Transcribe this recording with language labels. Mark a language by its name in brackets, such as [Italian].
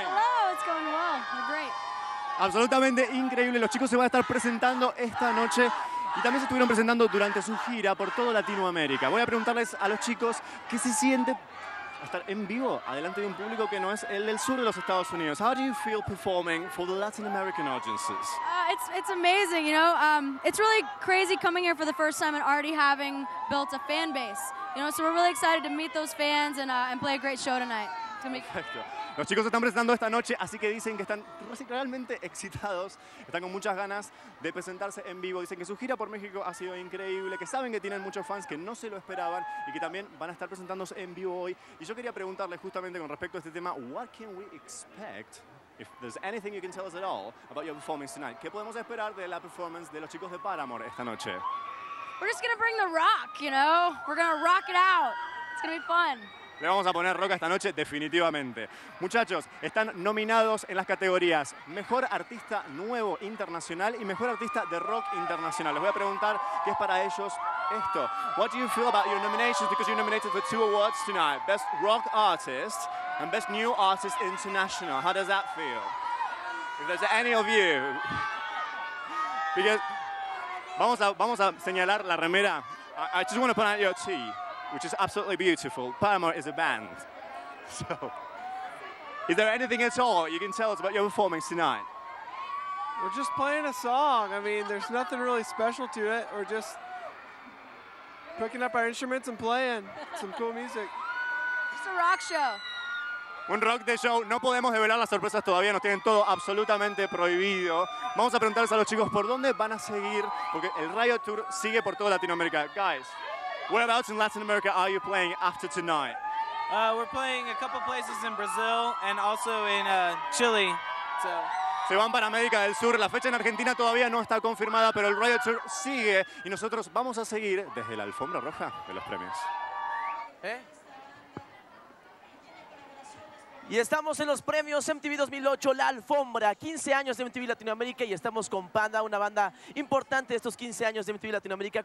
[English] Hello, it's going well. We're great. [Spanish] Absolutamente increíble. Los chicos se van a estar presentando esta noche y también se estuvieron presentando durante su gira por toda Latinoamérica. Voy a preguntarles a los chicos qué se siente estar en vivo adelante de un público que no es el del sur de los Estados Unidos. [English] How do you feel performing for the Latin American audiences? It's amazing, you know. It's really crazy coming here for the first time and already having built a fan base. You know, so we're really excited to meet those fans and play a great show tonight. [Spanish] Perfecto. Los chicos están presentando esta noche, así que dicen que están realmente excitados. Están con muchas ganas de presentarse en vivo. Dicen que su gira por México ha sido increíble, que saben que tienen muchos fans que no se lo esperaban y que también van a estar presentándose en vivo hoy. Y yo quería preguntarles justamente con respecto a este tema, [English] what can we expect, if there's anything you can tell us at all, about your performance tonight? [Spanish] ¿Qué podemos esperar de la performance de los chicos de Paramore esta noche? [English] We're just gonna bring the rock, you know? We're gonna rock it out. It's gonna be fun. [Spanish] Le vamos a poner roca esta noche, definitivamente. Muchachos, están nominados en las categorías Mejor Artista Nuevo Internacional y Mejor Artista de Rock Internacional. Les voy a preguntar qué es para ellos esto. [English] What do you feel about your nominations? Because you're nominated for two awards tonight. Best Rock Artist and Best New Artist International. How does that feel? If there's any of you. [Spanish] Because vamos a señalar la remera. [English] I just want to point out your tea, which is absolutely beautiful. Paramore is a band. So, is there anything at all you can tell us about your performance tonight? We're just playing a song. I mean, there's nothing really special to it. We're just picking up our instruments and playing some cool music. Just a rock show. [Spanish] Un rock de show. No podemos develar las sorpresas todavía. Nos tienen todo absolutamente prohibido. Vamos a preguntarles a los chicos por dónde van a seguir, porque el Riot Tour sigue por toda Latinoamérica. [English] Guys, whereabouts in Latin America are you playing after tonight? We're playing a couple places in Brazil and also in Chile. So. [Spanish] Se van para América del Sur. La fecha en Argentina todavía no está confirmada, pero el Riot Tour sigue y nosotros vamos a seguir desde la alfombra roja de los premios. Y estamos en los premios MTV 2008, la alfombra, 15 años de MTV Latinoamérica y estamos con Panda, una banda importante de estos 15 años de MTV Latinoamérica.